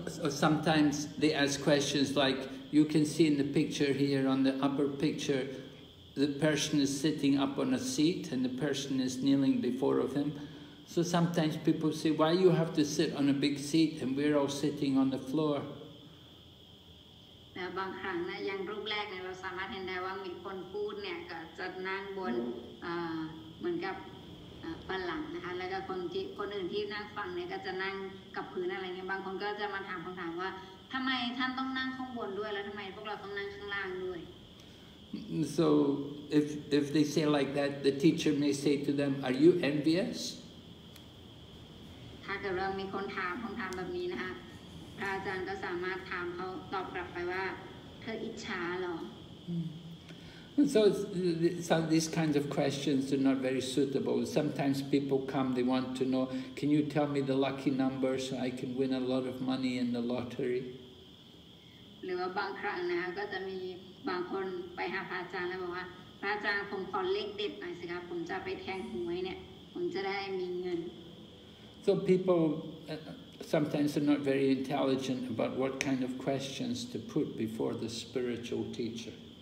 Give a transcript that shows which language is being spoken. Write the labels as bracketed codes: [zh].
[en] Sometimes they ask questions like you can see in the picture here on the upper picture the person is sitting up on a seat and the person is kneeling before of him so sometimes people say why you have to sit on a big seat and we're all sitting on the floor [th] บางครั้งนะอย่างรูปแรกเนี่ยเราสามารถเห็นได้ว่ามีคนพูดเนี่ยก็จะนั่งบนเหมือนกับปลั่งนะคะแล้วก็คนอื่นที่นั่งฟังเนี่ยก็จะนั่งกับพื้นอะไรเงี้ยบางคนก็จะมาถามคำถามว่าทำไมท่านต้องนั่งข้างบนด้วยแล้วทำไมพวกเราต้องนั่งข้างล่างด้วย [en] So if they say like that the teacher may say to them are you envious [th] ถ้าเกิดเรามีคนถามคำถามแบบนี้นะคะอาจารย์ก็สามารถถามเขาตอบกลับไปว่าเธออิจฉาหร [en] อ So these kinds of questions are not very suitable. Sometimes people come, they want to know, can you tell me the lucky number so I can win a lot of money in the lottery? [th] หรือว่าบางครั้งนะก็จะมีบางคนไปหาพระอาจารย์แล้วบอกว่าพระอาจารย์ผมขอเลขเด็ดหน่อยสิครับผมจะไปแทงหวยเนี่ยผมจะได้มีเงิน [en] So people sometimes they're not very intelligent about what kind of questions to put before the spiritual teacher.